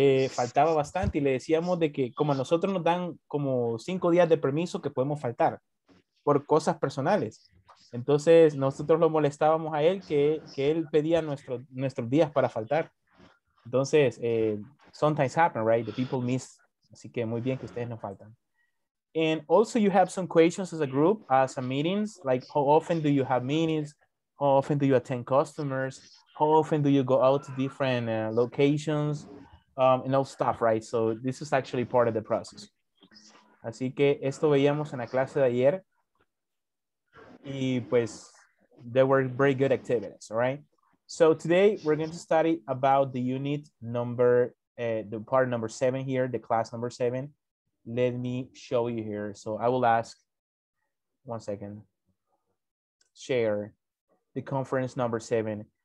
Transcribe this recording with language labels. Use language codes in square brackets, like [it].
[es] faltaba bastante y le decíamos de que como a nosotros nos dan como 5 días de permiso que podemos faltar por cosas personales. Entonces nosotros lo molestábamos a él que él pedía nuestros días para faltar. Entonces, [en] sometimes happen, right? The people miss. [es] Así que muy bien que ustedes no faltan. [en] And also you have some questions as a group, some meetings, like how often do you have meetings? How often do you attend customers? How often do you go out to different locations? And all stuff, right? So this is actually part of the process. [es] Así que esto veíamos en la clase de ayer. Y pues, [en] they were very good activities, all right? So today we're going to study about the unit number, the part number 7 here, the class number 7. Let me show you here. So I will ask, 1 second, share the conference number 7.